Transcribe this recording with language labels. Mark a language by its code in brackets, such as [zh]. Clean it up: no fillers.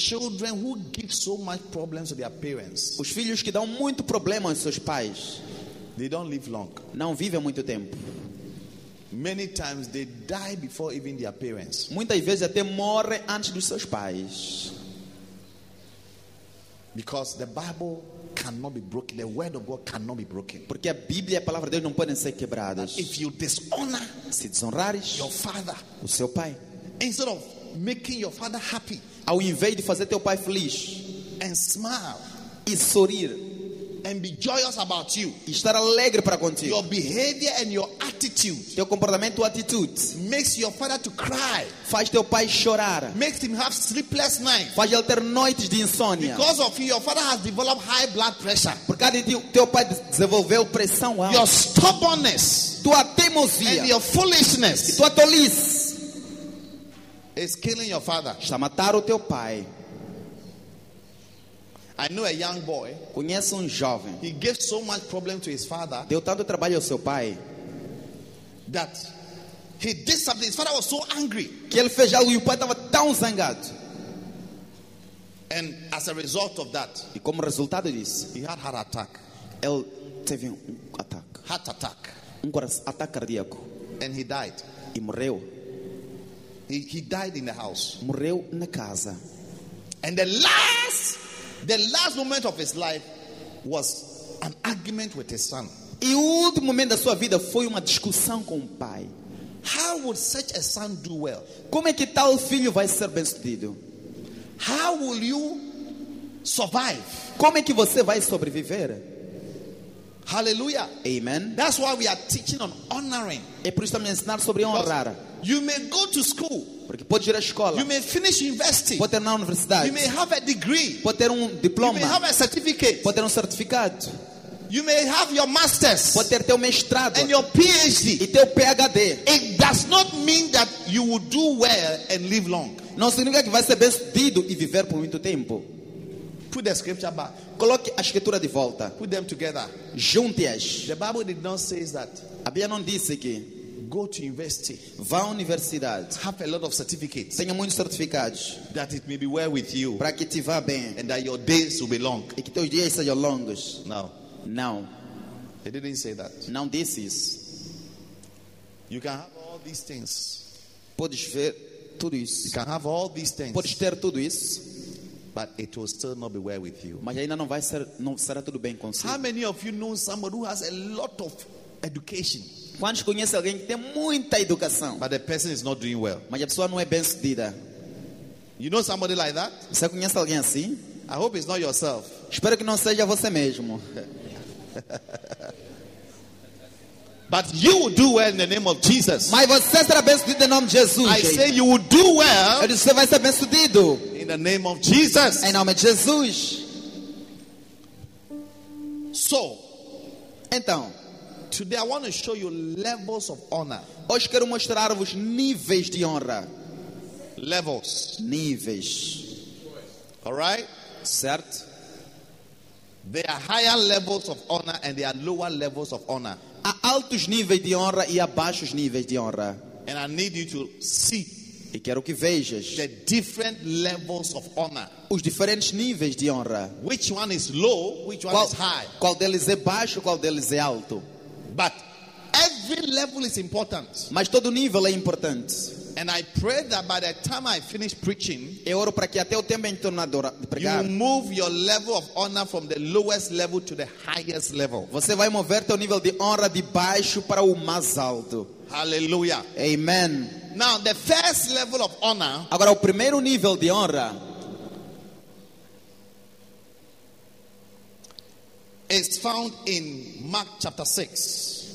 [en] children who give so much problems to their parents, [pt] os filhos que dão muito problema aos seus pais, [en] they don't live long. [pt] Não vivem muito tempo. [en] Many times they die before even their parents. [pt] Muitas vezes até morrem antes dos seus pais. [en] Because the Bible cannot be broken. The word of God cannot be broken. [pt] Porque a Bíblia e a palavra de Deus não podem ser quebradas. [en] If you dishonor, [pt] se desonrares [en] your father, [pt] o seu pai, [en] instead of making your father happy, [pt] ao invés de fazer teu pai feliz, [en] and smile, [pt] e sorrir, [en] and be joyous about you, [pt] e estar alegre para contigo, [en] your behavior and your attitude, [pt] teu comportamento, attitude, [en] makes your father to cry, [pt] faz teu pai chorar, [en] makes him have sleepless nights, [pt] faz ele ter noites de insônia, [en] because of you, your father has developed high blood pressure, [pt] por causa de ti, teu pai desenvolveu pressão alta, [en] your stubbornness, [pt] tua teimosia, [en] and your foolishness, [pt] e tua tolice, [en] is killing your father, [pt] está a matar o teu pai. [en] I know a young boy. [pt] Conheço jovem. [en] He gave so much problem to his father. [pt] Deu tanto trabalho ao seu pai. [en] That he did something. His father was so angry. [pt] Que ele fez algo e o pai estava tão zangado. [en] And as a result of that, [pt] e como resultado disso, [en] he had heart attack. [pt] Ele teve ataque. [en] Heart attack. [pt] Ataque cardíaco. [en] And he died. [pt] E morreu. [en] He died in the house. [pt] Morreu na casa. [en] And the last moment of his life was an argument with his son. [pt] E o último momento da sua vida foi uma discussão com o pai. [en] How would such a son do well? [pt] Como é que tal filho vai ser bem sucedido? [en] How will you survive? [pt] Como é que você vai sobreviver? [en] Hallelujah. [pt] Amen. [en] That's why we are teaching on honoring. [pt] É por isso que estamos ensinando sobre honrar. [en] You may go to school. [pt] Porque pode ir à escola. [en] You may finish university. [pt] Pode ter na universidade. [en] You may have a degree. [pt] Pode ter diploma. [en] You may have a certificate. [pt] Pode ter certificado. [en] You may have your masters. [pt] Pode ter teu mestrado. [en] And your PhD. [pt] E teu PhD. [en] It does not mean that you will do well and live long. [pt] Não significa que vai ser bem sucedido e viver por muito tempo. [en] Put the scripture back. [pt] Coloque a escritura de volta. [en] Put them together. [pt] Junte-as. [en] The Bible did not say that. [pt] A Bíblia não disse que [en] go to university. [pt] Vá à universidade. [en] Have a lot of certificates. [pt] Tenha muitos certificados. [en] That it may be well with you. [pt] Para que te vá bem. [en] And that your days will be long. [pt] E que teus dias sejam longos. [en] No. [pt] No. [en] He didn't say that. Now this is. You can have all these things. [pt] Podes ver tudo isso. [en] You can have all these things. [pt] Podes ter tudo isso. [en] But it will still not be well with you. [pt] Mas ainda não vai ser, não será tudo bem consigo. [en] How many of you know somebody who has a lot of education? [pt] Quantos conhecem alguém que tem muita educação? [en] But the person is not doing well. [pt] Mas a pessoa não é bem sucedida. [en] You know somebody like that? [pt] Você conhece alguém assim? [en] I hope it's not yourself. [pt] Espero que não seja você mesmo. [en] But you will do well in the name of Jesus. [pt] Mas você será bem sucedido em nome de Jesus. [en] I say you will do well. [pt] Eu disse, você vai ser bem sucedido. [en] In the name of Jesus. [pt] Em nome de Jesus. [en] So, [pt] então. [en] Today I want to show you levels of honor. [pt] Hoje quero mostrar-vos níveis de honra. [en] Levels. [pt] Níveis. [en] All right? [pt] Certo. [en] There are higher levels of honor and there are lower levels of honor. [pt] Há altos níveis de honra e há baixos níveis de honra. [en] And I need you to see. [pt] E quero que vejas. [en] The different levels of honor. [pt] Os diferentes níveis de honra. [en] Which one is low, which one is high? [pt] Qual deles é baixo, qual deles é alto? [en] But every level is important. [pt] Mas todo nível é importante. [en] And I pray that by the time I finish preaching, [pt] eu oro para que até o tempo em que eu terminar de pregar, [en] you move your level of honor from the lowest level to the highest level. [pt] Você vai mover teu nível de honra de baixo para o mais alto. [en] Hallelujah. [pt] Amen. [en] Now, the first level of honor. [pt] Agora, o primeiro nível de honra [en] is found in Mark chapter 6.